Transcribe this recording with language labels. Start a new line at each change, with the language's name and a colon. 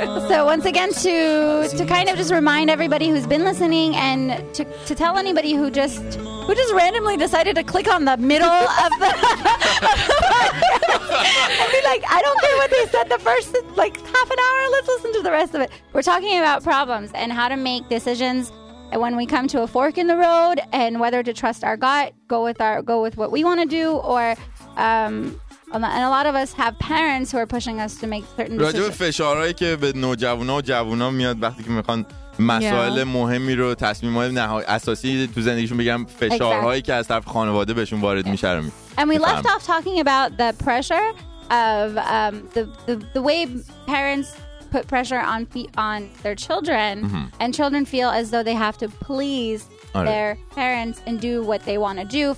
English: So once again, to kind of just remind everybody who's been listening, and to tell anybody who just randomly decided to click on the middle of the podcast, be like, I don't care what they said the first like half an hour. Let's listen to the rest of it. We're talking about problems and how to make decisions when we come to a fork in the road, and whether to trust our gut, go with what we want to do, or and a lot of us have parents who are pushing us to make certain decisions.
Persian: فشارهایی که به نوجوانا و جوونا میاد وقتی که میخوان مسائل مهمی رو، تصمیم‌های نهایی اساسی تو زندگیشون بگم، فشارهایی که از طرف خانواده بهشون وارد میشه.
English: And we left off talking about the pressure of the way parents put pressure on their children, mm-hmm. and children feel as though they have to please their parents and do what they want to do.